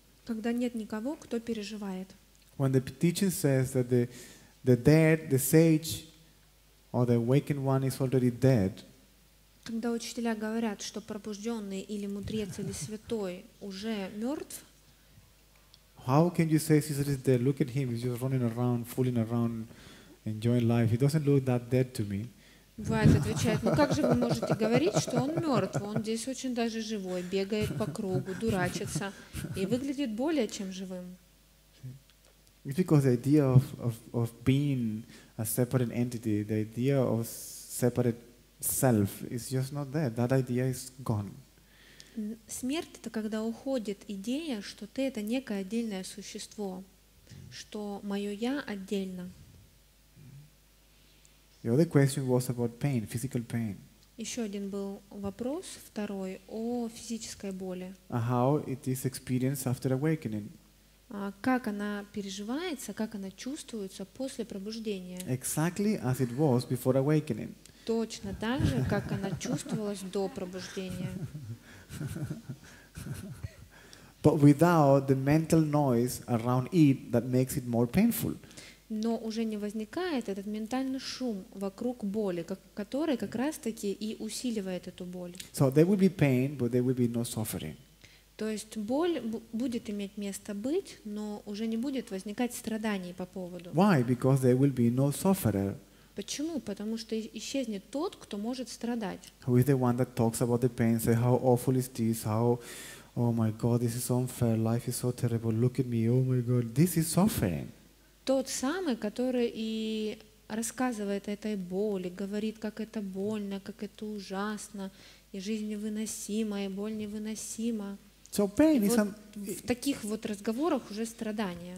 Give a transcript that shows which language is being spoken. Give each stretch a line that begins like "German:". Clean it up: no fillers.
Russian: Когда нет никого, кто переживает.
English: When the teaching says that the dead, the sage, or the awakened one is already dead.
Russian: Когда учителя говорят, что пробужденный или мудрец или святой уже мертв.
English: How can you say Caesar is dead? Look at him, he's just running around, fooling around, enjoying life. He doesn't look that dead to me.
Russian: Вайт отвечает, ну как же вы можете говорить, что он мертв? Он здесь очень даже живой, бегает по кругу, дурачится и выглядит более чем живым.
English: It's because the idea of being a separate entity, the idea of separate self is just not there. That idea is gone.
Russian: Смерть — это когда уходит идея, что ты — это некое отдельное существо, что мое я отдельно.
English: The other question was about pain, physical pain.
Russian: Еще один был вопрос, второй, о физической боли.
English: How it is experienced after awakening?
Russian: Как она переживается, как она чувствуется после пробуждения?
English: Exactly as it was before awakening.
Russian: Точно так же, как она чувствовалась до пробуждения.
English: But without the mental noise around it that makes it more painful.
Russian: Но уже не возникает этот ментальный шум вокруг боли, который как раз-таки и усиливает эту боль.
English: So there will be pain, but there will be no suffering.
Russian: То есть боль будет иметь место быть, но уже не будет возникать страданий по поводу.
English: Why? Because there will be no sufferer.
Russian: Почему? Потому что исчезнет тот, кто может страдать.
English: Who is the one that talks about the pain, say how awful is this, how, oh my God, this is unfair, life is so terrible, look at me, oh my God, this is suffering.
Russian: Тот самый, который и рассказывает о этой боли, говорит, как это больно, как это ужасно, и жизнь невыносима, и боль невыносима.
English: So pain
Russian: вот
English: is an,
Russian: в таких вот разговорах уже страдания.